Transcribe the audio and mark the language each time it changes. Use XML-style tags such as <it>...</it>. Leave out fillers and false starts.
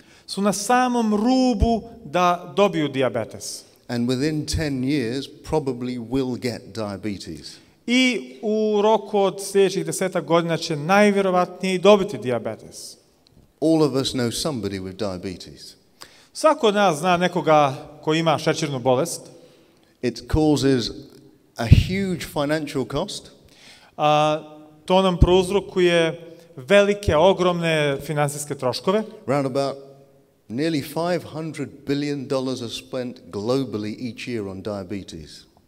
<bs>Su na samom rubu da dobiju dijabetes.</bs> <en>And within 10 years probably will get diabetes.</en> <bs>I u roku od sljedećih 10 godina će najvjerovatnije dobiti dijabetes.</bs> <en>All of us know somebody with diabetes.</en> <bs>Svako od nas zna nekoga ko ima šećernu bolest.</bs> <en>It causes a huge financial cost.</en> <bs>To nam prouzrokuje velike, ogromne financijske troškove.</bs> <en>Round about nearly $500 billion are spent globally each year on diabetes.</en>